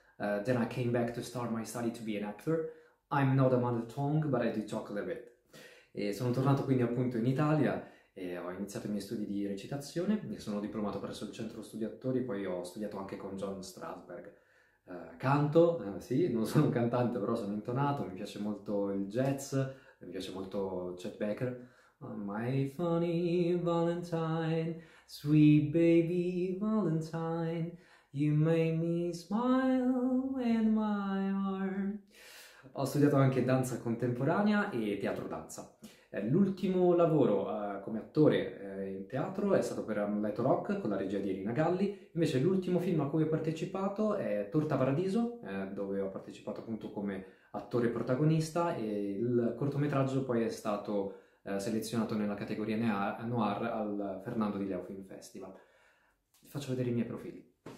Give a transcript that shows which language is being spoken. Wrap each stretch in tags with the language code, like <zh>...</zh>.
<en>Then I came back to start my study to be an actor. I'm not a mother tongue, but I do talk a little bit.</en> <it>E sono tornato quindi appunto in Italia. E ho iniziato i miei studi di recitazione, mi sono diplomato presso il Centro Studi Attori, poi ho studiato anche con John Strasberg. Canto, sì, non sono un cantante, però sono intonato, mi piace molto il jazz, mi piace molto Chet Baker.</it> <en>Oh, my funny Valentine, sweet baby Valentine, you made me smile in my heart.</en> <it>Ho studiato anche danza contemporanea e teatro danza. L'ultimo lavoro come attore in teatro è stato per Amleto Rock con la regia di Irina Galli. Invece l'ultimo film a cui ho partecipato è Torta Paradiso, dove ho partecipato appunto come attore protagonista e il cortometraggio poi è stato selezionato nella categoria Noir al Fernando di Leo Film Festival. Vi faccio vedere i miei profili.</it>